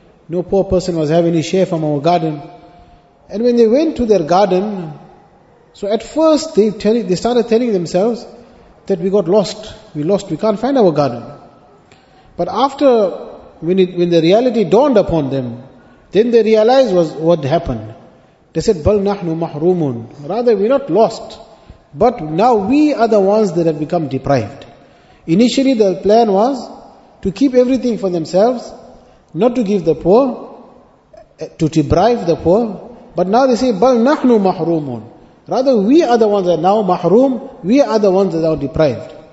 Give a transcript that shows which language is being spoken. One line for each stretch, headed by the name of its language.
English: No poor person was having any share from our garden. And when they went to their garden, so at first they started telling themselves that we got lost. We lost, we can't find our garden. But after, when the reality dawned upon them, then they realized was what happened. They said,
Arabic: بَلْ نَحْنُ مَحْرُومُونَ.
English: Rather, we're not lost, but now we are the ones that have become deprived. Initially the plan was to keep everything for themselves, not to give the poor, to deprive the poor. But now they say,
Arabic: بَلْ نَحْنُ مَحْرُومُونَ.
English: Rather, we are the ones that are now mahroom, we are the ones that are deprived.